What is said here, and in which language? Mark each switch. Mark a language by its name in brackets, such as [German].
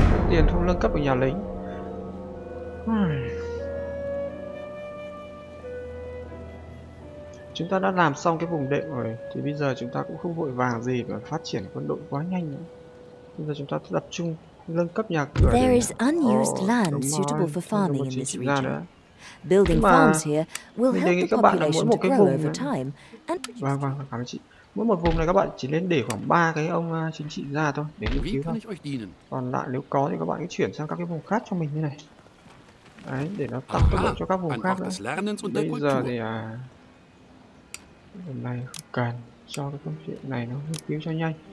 [Vietnamese] Tiền không nâng cấp ở nhà lính. Chúng ta đã làm xong cái vùng đệm rồi thì bây giờ chúng ta cũng không vội vàng gì mà phát triển quân đội quá nhanh nữa. Bây giờ chúng ta tập trung nâng cấp nhà cửa. [English] There is unused land suitable for farming in this region. Building farms here will help the population to grow over time. [Vietnamese] Vâng vâng, cảm ơn chị. Mỗi một vùng này các bạn chỉ nên để khoảng 3 cái ông chính trị ra thôi để nghiên cứu thôi. Còn lại nếu có thì các bạn cứ chuyển sang các cái vùng khác cho mình như này. Đấy, để nó tăng cấp độ cho các vùng khác nữa. Bây giờ thì hôm nay không cần cho cái công chuyện này nó nghiên cứu cho nhanh.